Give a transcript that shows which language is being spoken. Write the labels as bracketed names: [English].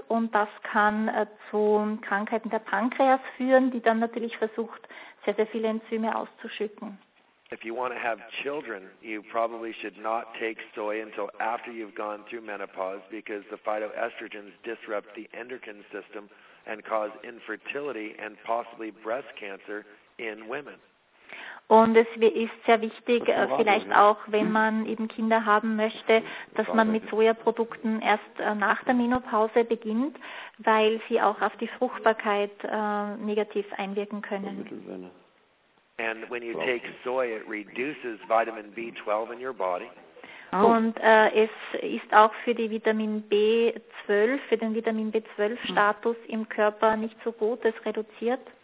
[German] Und das kann zu Krankheiten der Pankreas führen, die dann natürlich versucht, sehr, sehr viele Enzyme auszuschütten. [English] If you want to have children, you probably should not take soy until after you've gone through menopause because the phytoestrogens disrupt the endocrine system and cause infertility and possibly breast cancer in women. [German] Und es ist sehr wichtig, vielleicht auch, wenn man eben Kinder haben möchte, dass man mit Sojaprodukten erst nach der Menopause beginnt, weil sie auch auf die Fruchtbarkeit negativ einwirken können. [English] And when you take soy, it reduces vitamin B12 in your body. [German] Und es ist auch für die Vitamin B12, für den Vitamin B12-Status im Körper nicht so gut, es reduziert.